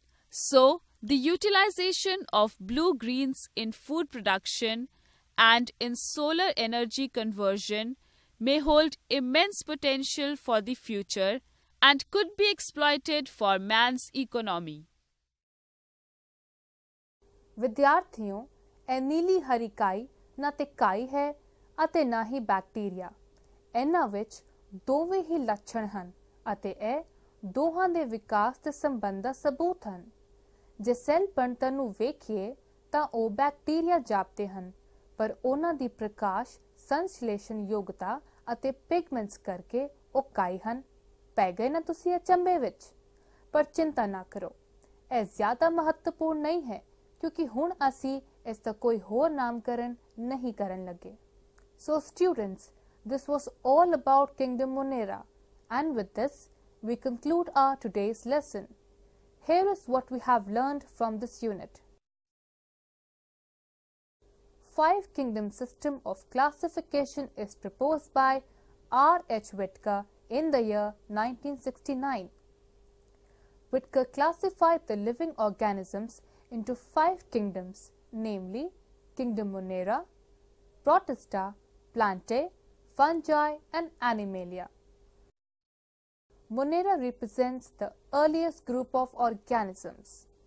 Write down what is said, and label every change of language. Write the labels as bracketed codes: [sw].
[en] So, the utilization of blue greens in food production and in solar energy conversion may hold immense potential for the future and could be exploited for man's economy. [pa] ਵਿਦਿਆਰਥੀਓ, ਇਹ ਨੀਲੀ ਹਰੀ ਕਾਈ ਨਾ ਤੇ ਕਾਈ ਹੈ ਅਤੇ ਨਾ ਹੀ bacteria. ਇਹਨਾਂ ਵਿੱਚ ਦੋਵੇਂ ਹੀ ਲੱਛਣ ਹਨ ਅਤੇ ਇਹ ਦੋਹਾਂ ਦੇ ਵਿਕਾਸ ਦੇ ਸੰਬੰਧ ਦਾ ਸਬੂਤ ਹਨ। ਜੇ ਸੈੱਲ ਬਣਤਰ ਨੂੰ ਵੇਖੀਏ ਤਾਂ ਉਹ ਬੈਕਟੀਰੀਆ ਜਾਪਦੇ ਹਨ, ਪਰ ਉਹਨਾਂ ਦੀ ਪ੍ਰਕਾਸ਼ ਸੰਸ਼ਲੇਸ਼ਣ ਯੋਗਤਾ ਅਤੇ ਪਿਗਮੈਂਟਸ ਕਰਕੇ ਉਹ ਕਾਈ ਹਨ। ਪੈ ਗਏ ਨਾ ਤੁਸੀਂ ਅਚੰਭੇ ਵਿੱਚ? ਪਰ ਚਿੰਤਾ ਨਾ ਕਰੋ, ਇਹ ਜ਼ਿਆਦਾ ਮਹੱਤਵਪੂਰਨ ਨਹੀਂ ਹੈ, ਕਿਉਂਕਿ ਹੁਣ ਅਸੀਂ ਇਸ ਦਾ ਕੋਈ ਹੋਰ ਨਾਮਕਰਨ ਨਹੀਂ ਕਰਨ ਲੱਗੇ। [en] So students, this was all about kingdom Monera, and with this we conclude our today's lesson. Here is what we have learned from this unit. 5 kingdom system of classification is proposed by R H Whittaker in the year 1969. Whittaker classified the living organisms into 5 kingdoms, namely Kingdom Monera, Protista, Plantae, Fungi, and Animalia. Monera represents the earliest group of organisms.